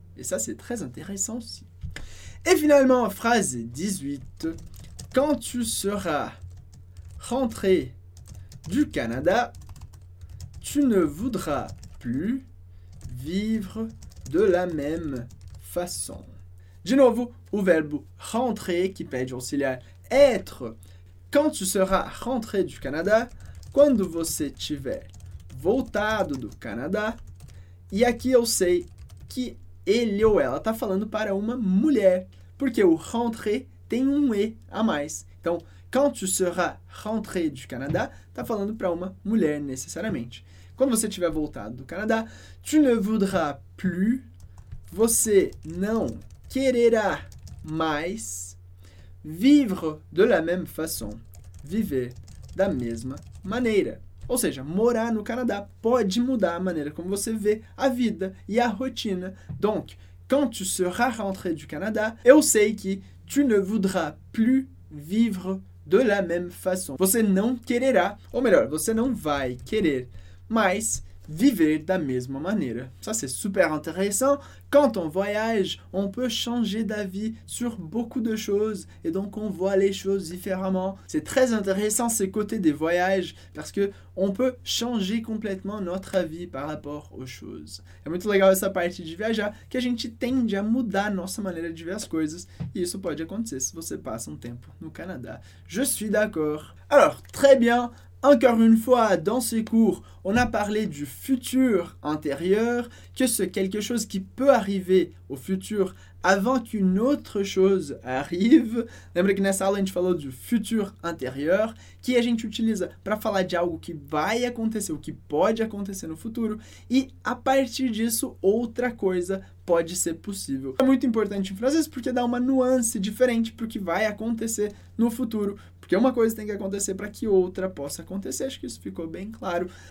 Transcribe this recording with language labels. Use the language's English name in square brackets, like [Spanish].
[French] Et ça, c'est très intéressant aussi. Et finalement, phrase 18. Quand tu seras rentré du Canada, tu ne voudras plus vivre de la même façon. [Portuguese] De novo, o verbo rentrer, que pede auxiliar être. [French] Quand tu seras rentré du Canada, [Portuguese] quando você tiver voltado do Canadá. E aqui eu sei que ele ou ela está falando para uma mulher, porque o rentrer tem um E a mais. Então, [French] quand tu seras rentré du Canada, [Portuguese] está falando para uma mulher, necessariamente. Quando você tiver voltado do Canadá, [French] tu ne voudras plus, [Portuguese] você não quererá mais [French] vivre de la même façon, [Portuguese] viver da mesma maneira. Ou seja, morar no Canadá pode mudar a maneira como você vê a vida e a rotina. Donc, [French] quand tu seras rentré du Canada, [Portuguese] eu sei que [French] tu ne voudras plus vivre de la même façon. [Portuguese] Você não quererá, ou melhor, você não vai querer mais viver da mesma maneira. [French] Ça, c'est super intéressant. Quand on voyage, on peut changer d'avis sur beaucoup de choses et donc on voit les choses différemment. C'est très intéressant ces côtés des voyages parce que on peut changer complètement notre avis par rapport aux choses. [Portuguese] É muito legal essa parte de viajar, que a gente tende a mudar nossa maneira de ver as coisas e isso pode acontecer se você passa um tempo no Canadá. [French] Je suis d'accord. Alors, très bien. Encore une fois, dans ces cours, on a parlé du futur antérieur, que c'est quelque chose qui peut arriver au futur avant qu'une autre chose arrive. [Portuguese] Lembra que nessa aula a gente falou du futur antérieur, que a gente utiliza para falar de algo que vai acontecer, ou que pode acontecer no futuro, e a partir disso, outra coisa pode ser possível. É muito importante em francês porque dá uma nuance diferente para o que vai acontecer no futuro, porque uma coisa tem que acontecer para que outra possa acontecer, acho que isso ficou bem claro.